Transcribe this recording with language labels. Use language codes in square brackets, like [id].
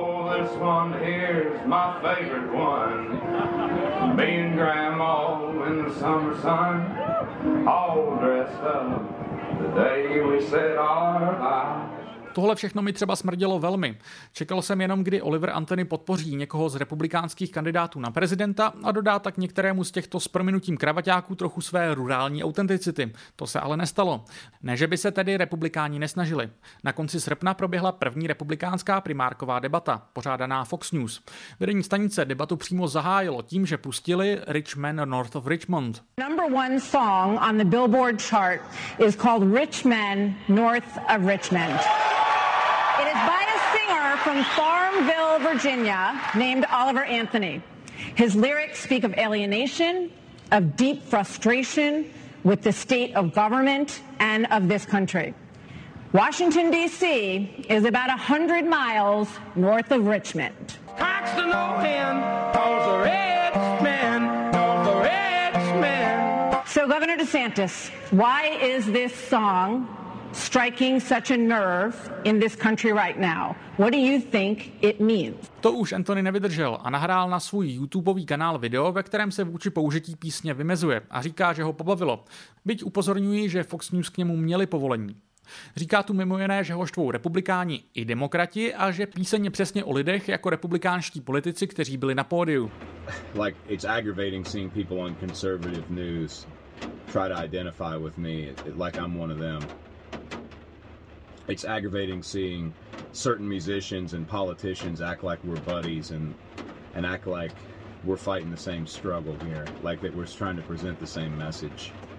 [en] My favorite one, me and Grandma in the summer sun, all dressed up, the day we said our vows. [cs] Tohle všechno mi třeba smrdělo velmi. Čekal jsem jenom, kdy Oliver Anthony podpoří někoho z republikánských kandidátů na prezidenta a dodá tak některému z těchto s prominutím kravaťáků trochu své rurální autenticity. To se ale nestalo. Ne, že by se tedy republikáni nesnažili. Na konci srpna proběhla první republikánská primárková debata, pořádaná Fox News. Vedení stanice debatu přímo zahájilo tím, že pustili Rich Man North of Richmond. [en] Number one song on the Billboard chart is called Rich Man North of Richmond. It is by a singer from Farmville, Virginia, named Oliver Anthony. His lyrics speak of alienation, of deep frustration with the state of government and of this country. Washington, D.C. is about 100 miles north of Richmond. Cocks the North End, calls the Richmond, calls the Richmond. So, Governor DeSantis, why is this song striking such a nerve in this country right now? What do you think it means? [cs] To už Anthony nevydržel a nahrál na svůj YouTubeový kanál video, ve kterém se vůči použití písně vymezuje a říká, že ho pobavilo. Byť upozorňuji, že Fox News k němu měli povolení. Říká tu mimo jiné, že ho štvou republikáni i demokrati a že píseň je přesně o lidech jako republikánští politici, kteří byli na pódiu. [en] Like it's aggravating seeing people on conservative news try to identify with me like I'm one of them. It's aggravating seeing certain musicians and politicians act like we're buddies and act like we're fighting the same struggle here, like that we're trying to present the same message.